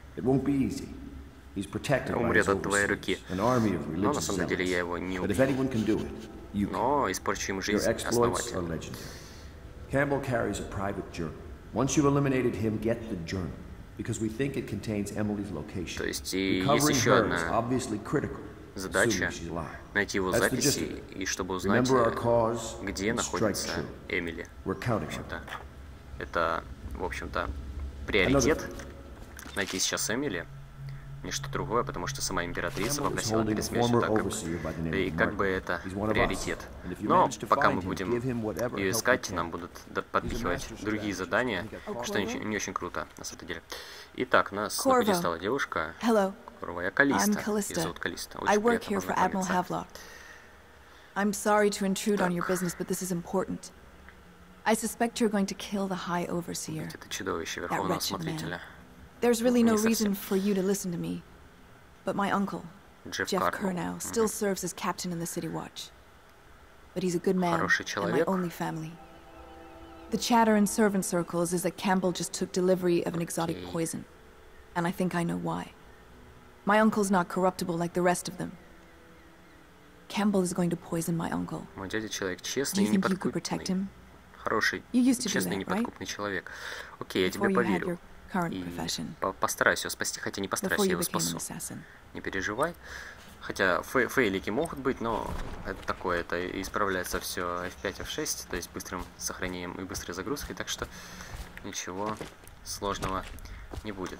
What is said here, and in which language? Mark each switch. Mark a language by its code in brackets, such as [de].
[en] It won't be easy. He's protected by his overseers, an army of religious zealots. But if anyone can do it, you can. [ru] Но испорчу им жизнь. [en] Your exploits are legendary. Campbell carries a private journal. Once you've eliminated him, get the journal, because we think it contains Emily's location. [ru] То есть, и есть еще одна. [en] Obviously critical. [ru] Задача — найти его записи и чтобы узнать, где находится Эмили. В общем-то, это, в общем-то, приоритет — найти сейчас Эмили. Нечто другое, потому что сама императрица попросила перед смертью, как бы это приоритет. Но пока мы будем ее искать, нам будут подпихивать другие задания, что не очень круто, на самом деле. Итак, нас на пути стала девушка. [en] I'm Callista. I work here for Admiral Havelock. I'm sorry to intrude on your business, but this is important. I suspect you're going to kill the High Overseer. That wretched man. There's really no reason for you to listen to me. But my uncle, Jeff Curnow, still serves as captain in the City Watch. but he's a good man. [ru] Хороший человек. [en] And my only family. The chatter in servant circles is that Campbell just took delivery of an exotic poison, and I think I know why. My uncle's not corruptible like the rest of them. Campbell is going to poison my uncle. [ru] Мой дядя человек честный и неподкупный. [en] Do you think you could protect him? [ru] Хороший, честный, неподкупный человек. Окей, я тебе поверю. И постараюсь его спасти, хотя не постараюсь, я его спасу. Не переживай. Хотя фейлики могут быть, но это такое, это исправляется все F5, F6, то есть быстрым сохранением и быстрой загрузкой, так что ничего сложного не будет.